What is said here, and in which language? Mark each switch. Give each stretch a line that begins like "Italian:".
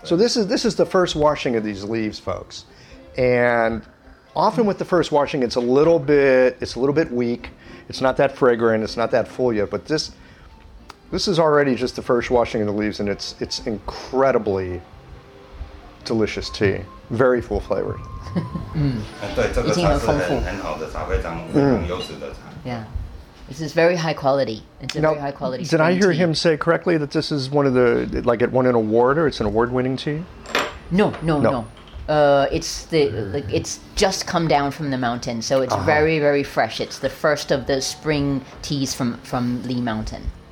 English: So this is the first washing of these leaves, folks. And often with the first washing, it's a little bit weak. It's not that fragrant. It's not that full yet. But this is already just the first washing of the leaves, and it's incredibly delicious tea. Very full flavored.
Chinese: 对，这个茶是很好的茶，非常优质的茶。
English: Yeah. This is very high quality. Did I hear him say correctly that this is one of the, like, it won an award, or it's an award-winning tea? No. It's just come down from the mountain, so it's very, very fresh. It's the first of the spring teas from Lee Mountain.